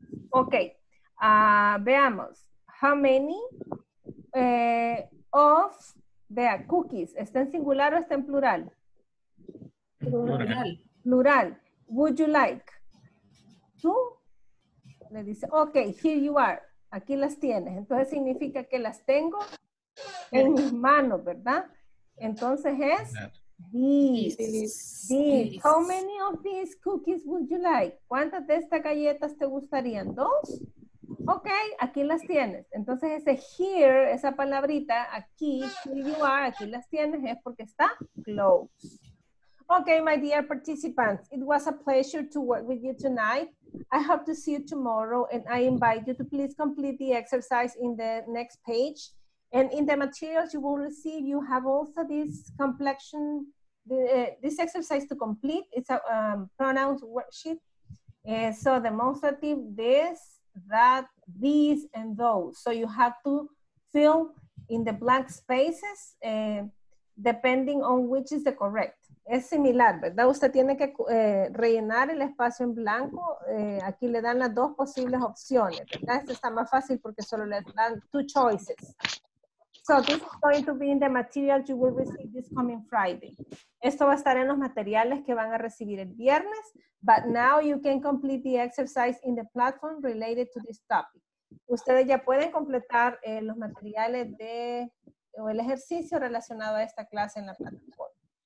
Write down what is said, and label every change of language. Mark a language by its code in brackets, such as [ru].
[es] Ok. Veamos, [en] how many of the cookies, [es] ¿está en singular o está en plural? Plural. [en] Plural. Would you like? [es] ¿Tú? Le dice, [en] ok, here you are, [es] aquí las tienes. Entonces significa que las tengo en mis manos, ¿verdad? Entonces es these. [en] How many of these cookies would you like? [es] ¿Cuántas de estas galletas te gustarían? ¿Dos? Ok, aquí las tienes. Entonces ese here, esa palabrita, aquí, [en] here you are, [es] aquí las tienes, es porque está close. [en] Ok, my dear participants, it was a pleasure to work with you tonight. I hope to see you tomorrow and I invite you to please complete the exercise in the next page. And in the materials you will receive, you have also this complexion, this exercise to complete. It's a pronoun worksheet. So demonstrative, this, that, these, and those. So you have to fill in the blank spaces depending on which is the correct. [es] Es similar, ¿verdad? Usted tiene que rellenar el espacio en blanco. Aquí le dan las dos posibles opciones, ¿verdad? Este está más fácil porque solo le dan two choices. [en] So this is going to be in the material you will receive this coming Friday. [es] Esto va a estar en los materiales que van a recibir el viernes. [en] But now you can complete the exercise in the platform related to this topic. [es] Ustedes ya pueden completar los materiales de o el ejercicio relacionado a esta clase en la plataforma.